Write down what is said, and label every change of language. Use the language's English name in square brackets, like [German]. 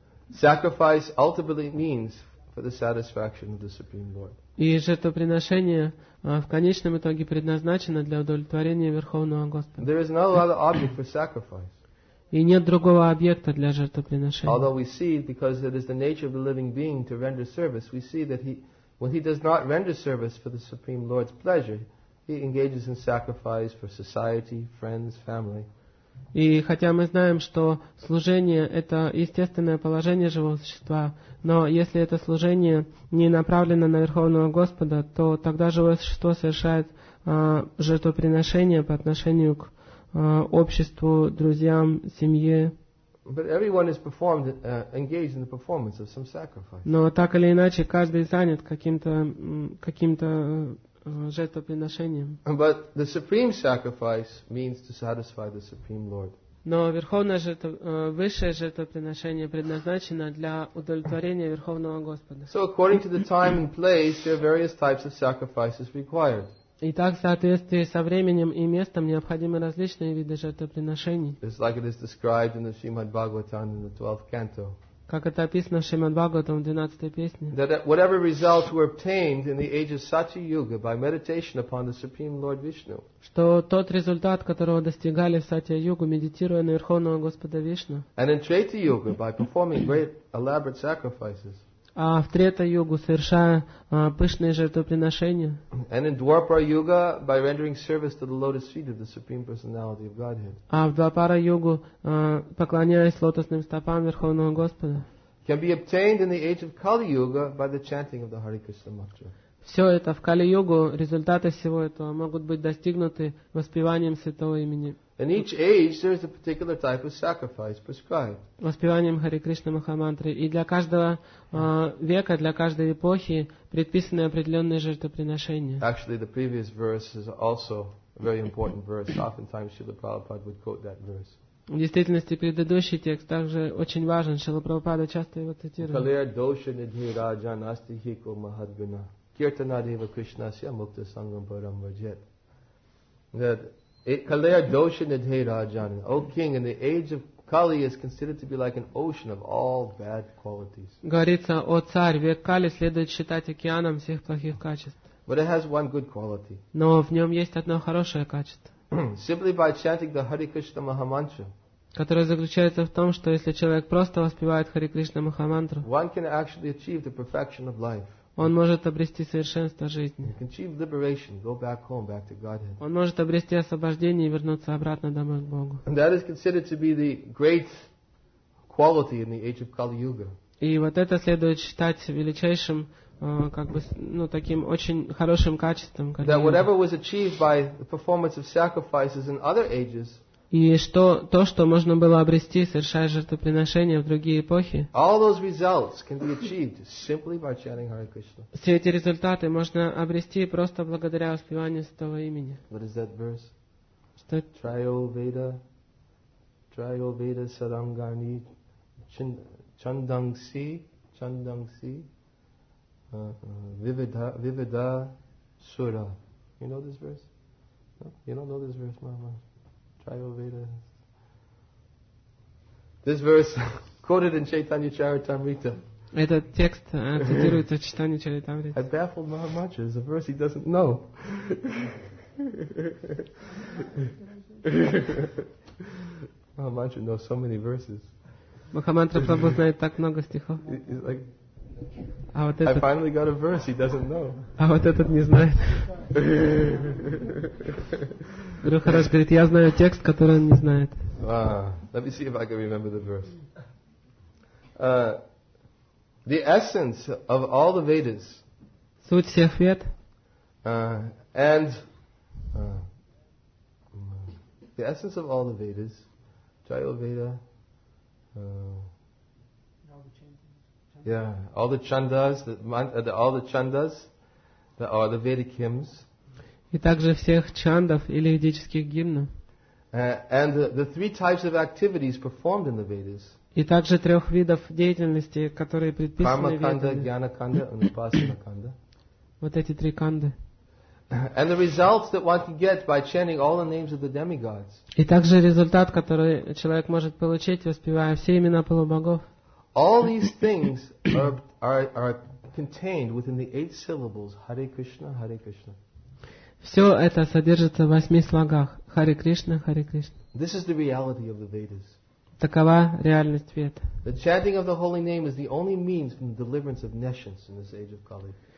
[English] Sacrifice ultimately means for the satisfaction of the Supreme Lord. [Russian] И жертвоприношение в конечном итоге предназначено для удовлетворения Верховного Господа. [English] There is no other object for sacrifice. [Russian] И нет другого объекта для жертвоприношения. [English] Although we see, because it is the nature of the living being to render service, we see that when he does not render service for the Supreme Lord's pleasure, he engages in sacrifice for society, friends, family. [Russian] И хотя мы знаем, что служение – это естественное положение живого существа, но если это служение не направлено на Верховного Господа, то тогда живое существо совершает жертвоприношение по отношению к обществу, друзьям, семье. [English] But everyone is performed, engaged in the performance of some sacrifice. [Russian] Но так или иначе, каждый занят каким-то [English] But the supreme sacrifice means to satisfy the supreme Lord. [Russian] Но верховное высшее жертвоприношение предназначено для удовлетворения Верховного Господа. [English] So according to the time and place, there are various types of sacrifices required. [Russian] Итак, в соответствии со временем и местом необходимы различные виды жертвоприношений. [English] It's like it is described in the Srimad Bhagavatam in the 12th canto. [Russian] Как это описано в Шримад-Бхагаватам, в 12-й песне. [English] That whatever results were obtained in the age of Satya-Yuga by meditation upon the Supreme Lord Vishnu. [Russian] Что тот результат, которого достигали в Сатья-Югу, медитируя на Верховного Господа Вишну. [English] And in Трета-Юга by performing great elaborate sacrifices. [Russian] А в Трета-Югу, совершая пышные жертвоприношения. [English] And in Двапара-Юга by rendering service to the lotus feet of the Supreme Personality of Godhead. [Russian] А в Двапара-Югу, поклоняясь лотосным стопам Верховного Господа. [English] Can be obtained in the age of Kali-Yuga by the chanting of the Hare Krishna Mantra. [Russian] Все это в Кали-Югу, результаты всего этого могут быть достигнуты воспеванием Святого Имени. [English] In each age, there is a particular type of sacrifice prescribed. [Russian] Воспеванием Харе Кришна Махамантры. И для каждого века, для каждой эпохи предписаны определенные жертвоприношения. [English] Actually, the previous verse is also a very important verse. Oftentimes, Srila Prabhupada would quote that verse. [Russian] В действительности, предыдущий текст также очень важен. Шрила Прабхупада часто его цитирует. [Sanskrit] Калер доша нидхи раджа насти хико махадгана. Киртана дева Кришна сия мукта сангам парам ваджет. [English] That Kalaya Dosha Nidhe Rajana, O King, in the age of Kali is considered to be like an ocean of all bad qualities. [Russian] Говорится, о царь, век Кали следует считать океаном всех плохих качеств. [English] But it has one good quality. [Russian] Но в нем есть одно хорошее качество. [English] Simply by chanting the Hare Krishna Mahamantra. [Russian] Которое заключается в том, что если человек просто воспевает Харе Кришна Махамантру, [English] one can actually achieve the perfection of life. [Russian] Он может обрести совершенство жизни. [English] Can achieve liberation, go back home, back to Godhead. [Russian] Он может обрести освобождение и вернуться обратно домой к Богу. [English] And that is considered to be the great quality in the age of Kali Yuga. [Russian] И вот это следует считать величайшим, таким очень хорошим качеством. [English] That whatever was achieved by the performance of sacrifices in other ages. [Russian] И что то, что можно было обрести, совершая жертвоприношения в другие эпохи, все эти результаты можно обрести просто благодаря воспеванию Святого Имени. [English] What is that verse? [Russian] Что [Sanskrit] это? Трайо-Веда, Трайо-Веда Сарангани, Чандангси, Чандангси, Вивида Сура. [English] You know this verse? No? You don't know this verse, Mama? This verse quoted in Chaitanya Charitamrita. [Russian] Этот текст цитируется в Чайтанья Чаритамрите. [English] I baffled Mahamantra. It's a verse he doesn't know. Mahamantra knows so many verses. [Russian] Mahamantra Prabhu знает так много стихов. [English] He's like, I finally got a verse he doesn't know. [Russian] А вот этот не знает. Рухарадж говорит, я знаю текст, который он не знает. [English] Let me see if I can remember the verse. The essence of all the Vedas. [Russian] Суть всех Вед. [English] The essence of all the Vedas. Jaya Veda. Yeah, all the chandas, all the chandas that are the Vedic hymns. [Russian] И также всех чандов или ведических гимнов. [English] And the three types of activities performed in the Vedas. [Russian] И также трех видов деятельности, которые предписаны Ведами. Кармаканда, гьянаканда и упасанаканда. Вот эти три канды. [English] And the results that one can get by chanting all the names of the demigods. [Russian] И также результат, который человек может получить, воспевая все имена полубогов. [English] All these things are contained within the eight syllables Hare Krishna, Hare Krishna. [Russian] Все это содержится в восьми слогах Hare Krishna, Hare Krishna. [English] This is the reality of the Vedas. [Russian] Такова реальность Вед. [English] The chanting of the holy name is the only means from the deliverance of nations in this age of Kali.